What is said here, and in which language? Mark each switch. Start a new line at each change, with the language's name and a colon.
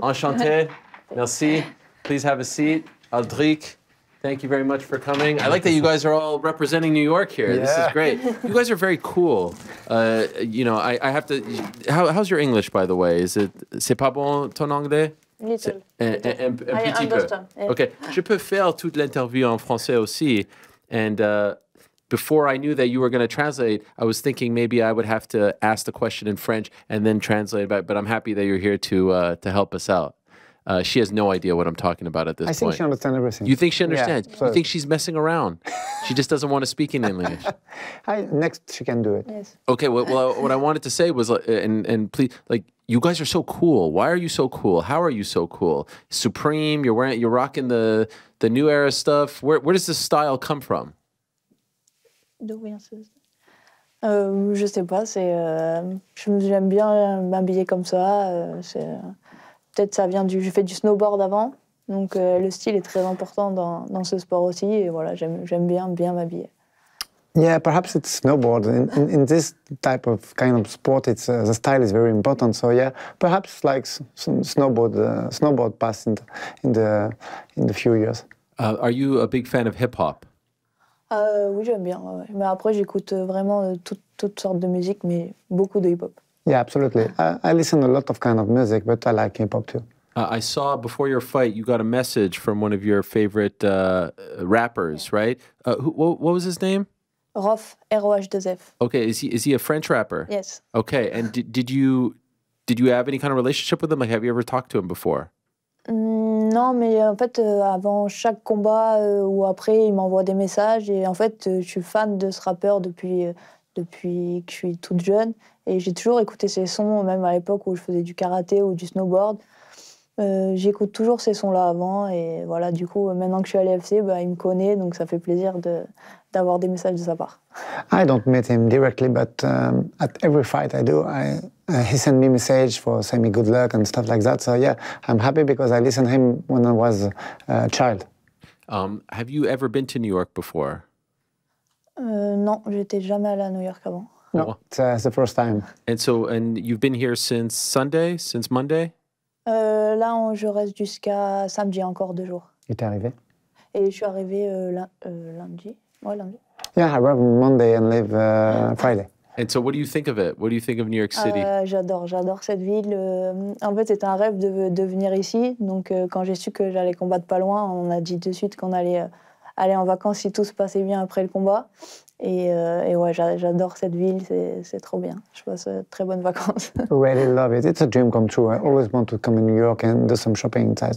French: Enchanté. Merci.
English: Please have a seat. Aldric, thank you very much for coming. I like that you guys are all representing New York here. Yeah. This is great. You guys are very cool. You know, I have to... How's your English, by the way? Is it...
French: C'est pas bon ton anglais?
English: Little.
French: Un petit peu. Okay. Je peux faire toute l'interview en français aussi.
English: And before I knew that you were going to translate, I was thinking maybe I would have to ask the question in French and then translate it. But I'm happy that you're here to help us out. She has no idea what I'm talking about at this point. I think she understands everything. You think she understands? Yeah, so. You think she's messing around? She just doesn't want to speak in English. Next, she can do it. Yes. Okay, well what I wanted to say was, and please, like, you guys are so cool. Why are you so cool? How are you so cool? Supreme, you're rocking the new era stuff. Where does this style come from?
French: Je sais pas, c'est... J'aime bien m'habiller comme ça, c'est... Peut-être ça vient du... J'ai fait du snowboard avant, donc le style est très important dans ce sport aussi, et voilà, j'aime bien m'habiller.
English: Yeah, perhaps it's snowboard. In this type of kind of sport, it's the style is very important. So yeah, perhaps like snowboard passed in the few years. Are you a big fan of hip-hop?
French: Oui, j'aime bien. Ouais. Mais après, j'écoute vraiment toutes sortes de musique, mais beaucoup de hip-hop.
English: Yeah, absolutely. I listen a lot of kind of music, but I like hip-hop too. I saw before your fight, you got a message from one of your favorite rappers, yeah. Right? What was his name? Rof, R-O-H-2-F. Okay, is he a French rapper? Yes. Okay, and did you have any kind of relationship with him? Like, have you ever talked to him before?
French: Non, mais en fait, avant chaque combat ou après, il m'envoie des messages. Et en fait, je suis fan de ce rappeur depuis que je suis toute jeune. Et j'ai toujours écouté ses sons, même à l'époque où je faisais du karaté ou du snowboard. J'écoute toujours ces sons-là avant. Et voilà, du coup, maintenant que je suis à l'UFC, bah, il me connaît, donc ça fait plaisir d'avoir des messages de sa part.
English: I don't meet him directly, but at every fight I do, he sent me message for send me good luck and stuff like that. So yeah, I'm happy because I listened to him when I was a child. Have you ever been to New York before?
French: Non, j'étais jamais allé à New York avant.
English: No, it's the first time. And so, and you've been here since Sunday, since Monday?
French: Là, je reste jusqu'à samedi, encore deux jours. Et t'es arrivé? Et je suis arrivé lundi. Ouais, lundi.
English: Yeah, I arrived Monday and leave Friday. And so, what do you think of it? What do you think of New York City?
French: J'adore cette ville. En fait, c'était un rêve de venir ici. Donc, quand j'ai su que j'allais combattre pas loin, on a dit de suite qu'on allait... aller en vacances si tout se passait bien après le combat. Et ouais, j'adore cette ville, c'est trop bien. Je passe très bonnes vacances.
English: Really love it. It's a dream come true. I always want to come in New York and do some shopping inside.